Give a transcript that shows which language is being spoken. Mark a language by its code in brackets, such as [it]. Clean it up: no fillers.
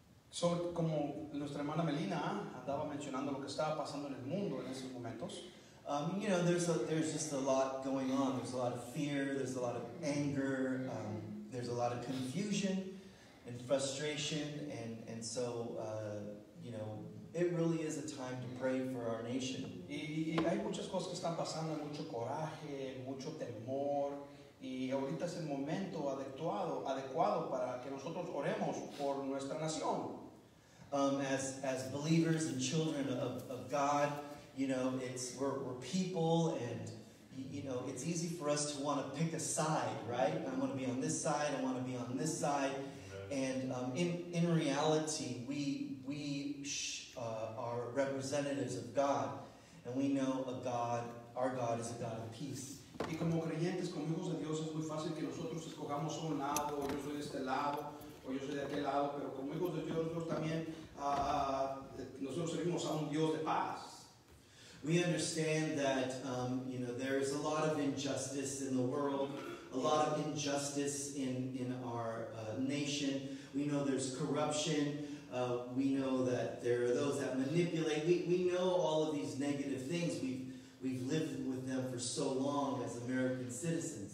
[es] So, como nuestra hermana Melina andaba mencionando lo que estaba pasando en el mundo en esos momentos. [en] You know, there's just a lot going on. There's a lot of fear, there's a lot of anger, there's a lot of confusion and frustration, and so, you know, it really is a time to pray for our nation. [es] Y hay muchas cosas que están pasando, mucho coraje, mucho temor. Y ahorita es el momento adecuado para que nosotros oremos por nuestra nación. [en] As believers and children of God, you know, we're people, and you know, it's easy for us to want to pick a side, right? I want to be on this side. I want to be on this side. And in reality, we are representatives of God, and we know our God is a God of peace. [es] Y como creyentes, como hijos de Dios, es muy fácil que nosotros escogamos un lado, o yo soy de este lado, o yo soy de aquel lado, pero como hijos de Dios, nosotros también, nosotros servimos a un Dios de paz. [en] We understand that, you know, there is a lot of injustice in the world, a lot of injustice in our nation. We know there's corruption. We know that there are those that manipulate. We know all of these negative things. We've lived with them for so long as American citizens.